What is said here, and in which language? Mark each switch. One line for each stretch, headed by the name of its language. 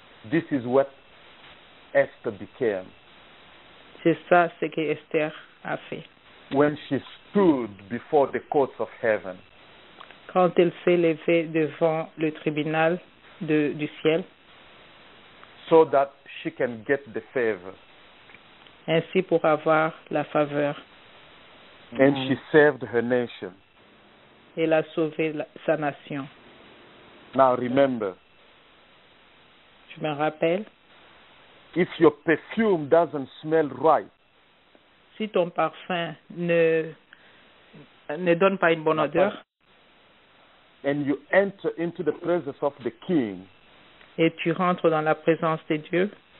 English: This is what Esther became.
French: C'est ça ce que Esther a fait.
English: When she stood before the courts of heaven.
French: Quand elle s'est levée devant le tribunal du ciel.
English: So that she can get the favor.
French: Ainsi pour avoir la faveur.
English: And she saved her nation.
French: Elle a sauvé sa nation.
English: Now remember.
French: Tu me rappelles?
English: If your perfume doesn't smell right.
French: Si ton parfum ne donne pas une bonne odeur.
English: And you enter into the presence of the king.
French: Et tu rentres dans la présence de Dieu.